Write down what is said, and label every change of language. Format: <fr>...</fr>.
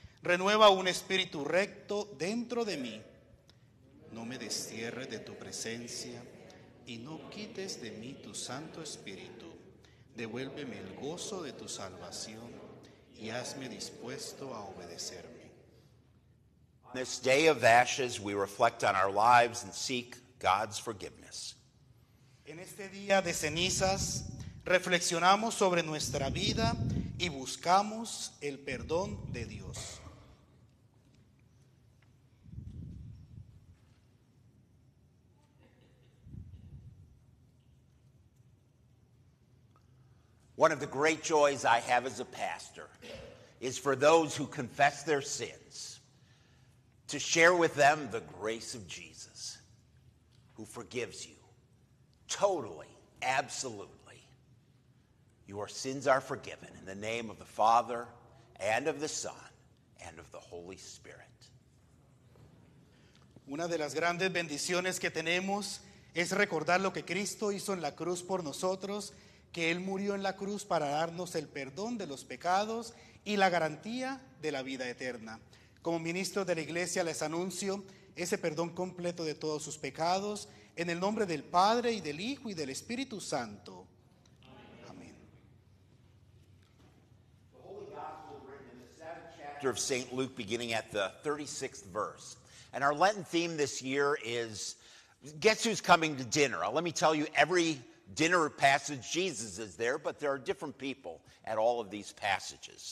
<es>Renueva un espíritu recto dentro de mí. No me destierre de tu presencia y no quites de mí tu santo espíritu. Devuélveme el gozo de tu salvación y hazme dispuesto a obedecerme.</es> <en>On this day of ashes, we reflect on our lives and seek God's forgiveness.</en> <es>En este día de cenizas, reflexionamos sobre nuestra vida y buscamos el perdón de Dios.</es> <en>One of the great joys I have as a pastor is for those who confess their sins to share with them the grace of Jesus, who forgives you totally, absolutely. Your sins are forgiven in the name of the Father and of the Son and of the Holy Spirit.</en> <es>Una de las grandes bendiciones que tenemos es recordar lo que Cristo hizo en la cruz por nosotros, que Él murió en la cruz para darnos el perdón de los pecados y la garantía de la vida eterna. Como ministro de la iglesia les anuncio ese perdón completo de todos sus pecados en el nombre del Padre y del Hijo y del Espíritu Santo. Amén.</es> <en>The Holy Gospel written in the seventh chapter of St. Luke beginning at the 36th verse. And our Lenten theme this year is, guess who's coming to dinner? Let me tell you, every dinner passage, Jesus is there, but there are different people at all of these passages.</en>